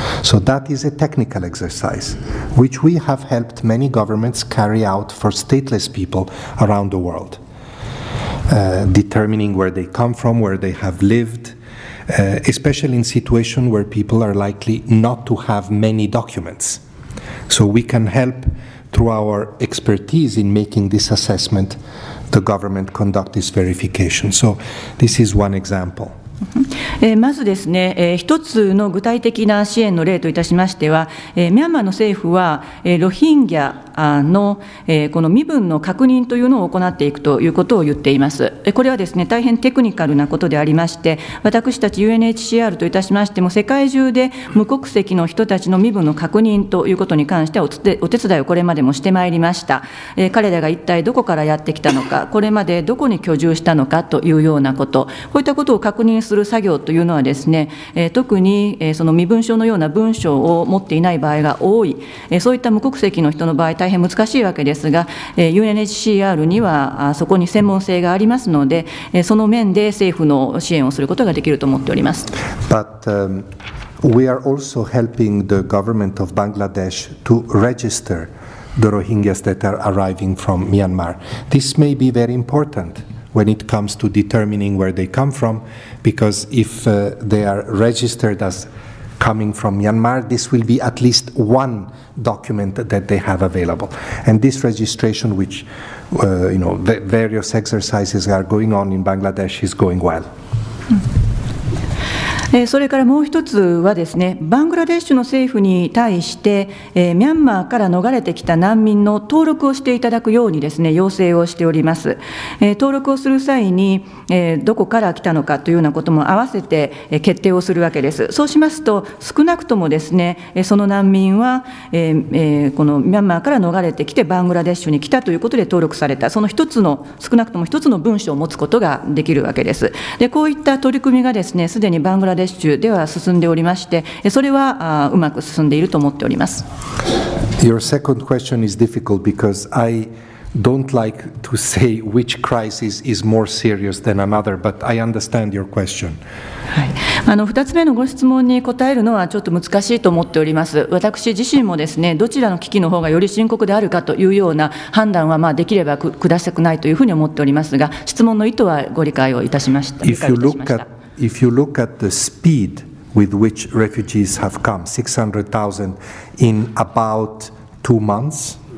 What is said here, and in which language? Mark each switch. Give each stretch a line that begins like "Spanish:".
English: So that is a technical exercise, which we have helped many governments carry out for stateless people around the world, determining where they come from, where they have lived, especially in situations where people are likely not to have many documents. So we can help through our expertise in making this assessment, the government conduct this verification. So this is one example.
Japanese: まずですね、一つの具体的な支援の例といたしましては、ミャンマーの政府は、ロヒンギャの、この身分の確認というのを行っていくということを言っています。これはですね、大変テクニカルなことでありまして、私たち UNHCR といたしましても、世界中で無国籍の人たちの身分の確認ということに関してはお手伝いをこれまでもしてまいりました。彼らが一体どこからやってきたのか、これまでどこに居住したのかというようなこと、こういったことを確認する作業というのはですね、特にその身分証のような文書を持っていない場合が多い、そういった無国籍の人の場合大変難しいわけですが、 UNHCR にはそこに専門性がありますので、その面で政府の支援をすることができると思っております。
English: But, we are also helping the government of Bangladesh to register the Rohingyas that are arriving from Myanmar. This may be very importantwhen it comes to determining where they come from, because if they are registered as coming from Myanmar, this will be at least one document that they have available. And this registration, which, you know, various exercises are going on in Bangladesh, is going well.
Japanese: それからもう一つはですね、バングラデシュの政府に対して、ミャンマーから逃れてきた難民の登録をしていただくようにですね、要請をしております。登録をする際に、どこから来たのかというようなことも合わせて決定をするわけです。そうしますと、少なくともですね、その難民は、このミャンマーから逃れてきてバングラデシュに来たということで登録された、その一つの、少なくとも一つの文書を持つことができるわけです。で、こういった取り組みがですね、すでにバングラデシュでは進んでおりまして、それはうまく進んでいると思っております。
English: Your second question is difficult because I... don't like to say which crisis is more serious than another, but I understand your question.
Japanese: はい。 2つ目のご質問に答えるのはちょっと難しいと思っております。私自身もですね、どちらの危機の方がより深刻であるかというような判断は、まあ、できれば下したくないというふうに思っておりますが、質問の意図はご理解をいたしました。
English: If you look at the speed with which refugees have come, 600,000 in about 2 months,